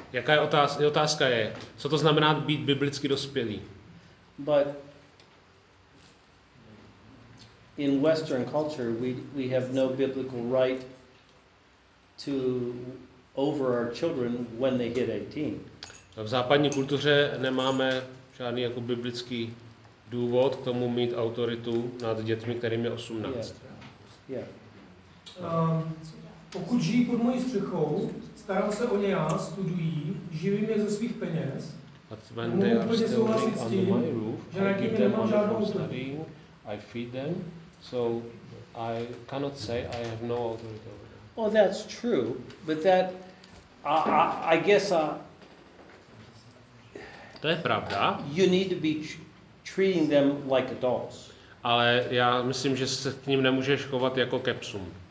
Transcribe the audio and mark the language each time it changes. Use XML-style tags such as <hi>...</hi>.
<cs>Jaká je otázka je, co to znamená být biblicky dospělý?</cs> <en>But in Western culture, we have no biblical right to over our children when they hit 18.</en> <cs>V západní kultuře nemáme žádný jako biblický důvod k tomu mít autoritu nad dětmi, kterým je 18. Pokud žijí pod mojí střechou, starám se o ně já, studují, živím je ze svých peněz, můžu úplně souhlasit s tím, že na tím nemám žádnou autoritu.</cs> <en>I feed them, so I cannot say I have no authority over them. Well, that's true, but that I guess</en> <cs>to je pravda.</cs> <en>You need to be treating them like adults.</en> <cs>Ale já myslím, že se k ním nemůžeš chovat jako ke psům.</cs>